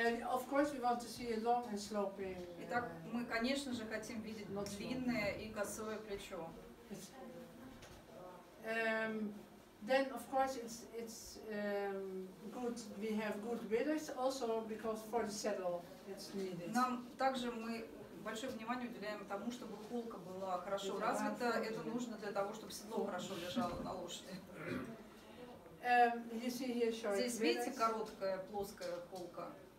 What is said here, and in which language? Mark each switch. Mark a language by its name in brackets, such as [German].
[English] Of course we want to see a long and sloping. [Russian] Итак, мы, конечно же, хотим видеть not длинное long. И косое плечо. [English] Then of course it's good we have good withers also because for the saddle it's needed. [Russian] Нам также мы большое внимание уделяем тому, чтобы холка была хорошо развита. Это нужно для того, чтобы седло хорошо лежало на лошади. Здесь видите короткая плоская холка.